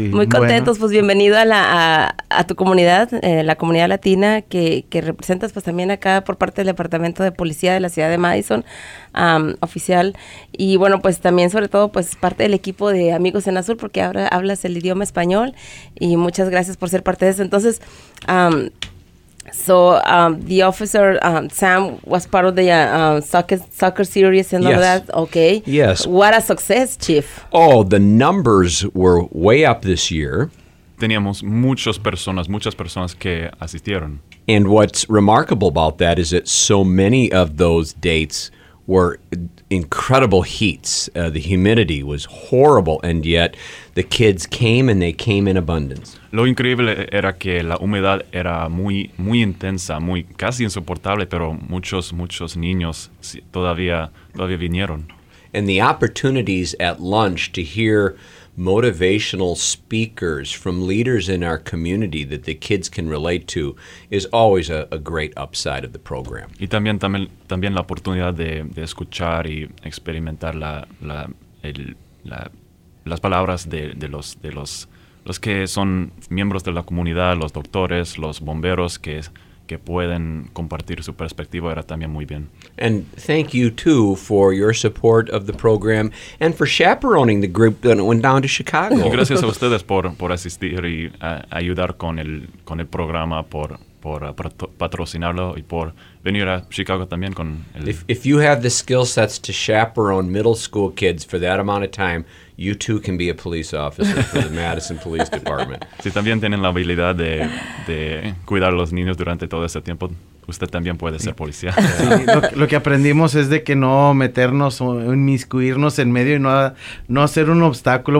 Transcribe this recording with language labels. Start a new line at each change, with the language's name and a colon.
Spanish: Muy contentos, bueno. Pues bienvenido a tu comunidad, la comunidad latina que representas pues también acá por parte del Departamento de Policía de la Ciudad de Madison, oficial, y bueno, pues también sobre todo pues parte del equipo de Amigos en Azul, porque ahora hablas el idioma español, y muchas gracias por ser parte de eso. Entonces,
English: the officer, Sam, was part of the soccer series and all that, okay? Yes. What a success, Chief. Oh, the numbers were way up this year.
Spanish: Teníamos muchas personas que asistieron.
English: And what's remarkable about that is that so many of those dates were incredible heats. The humidity was horrible, and yet the kids came and they came in abundance.
Spanish: Lo increíble era que la humedad era muy, muy intensa, muy casi insoportable, pero muchos, muchos niños todavía vinieron.
English: And the opportunities at lunch to hear motivational speakers from leaders in our community that the kids can relate to is always a great upside of the program.
Spanish: Y también la oportunidad de escuchar y experimentar las palabras de los que son miembros de la comunidad, los doctores, los bomberos que pueden compartir su perspectiva, era también muy bien.
English: And thank you, too, for your support of the program and for chaperoning the group that went down to Chicago.
Spanish: Y gracias a ustedes por asistir y ayudar con el programa, por patrocinarlo y por venir a Chicago también con el...
English: If you have the skill sets to chaperone middle school kids for that amount of time, you too can be a police officer for the Madison Police Department.
Spanish: Si también tienen la habilidad de cuidar a los niños durante todo ese tiempo, usted también puede ser policía. Sí, lo que aprendimos es de que no meternos o inmiscuirnos en medio y no hacer un obstáculo.